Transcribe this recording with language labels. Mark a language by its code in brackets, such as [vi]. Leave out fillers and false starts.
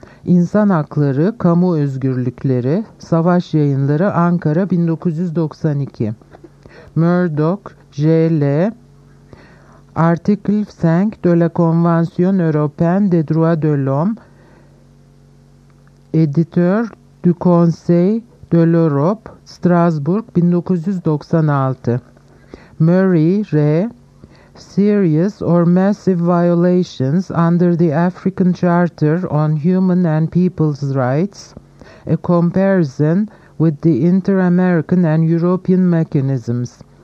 [tr] İnsan Hakları, Kamu Özgürlükleri, Savaş Yayınları, Ankara 1992. Murdoch J.L. [fr] Article 5 de la Convention européenne des droits de l'homme, Éditeur du Conseil de l'Europe, Strasbourg 1996. Murray R. [en] Serious or massive violations under the African Charter on Human and People's Rights, a comparison with the Inter-American and European mechanisms.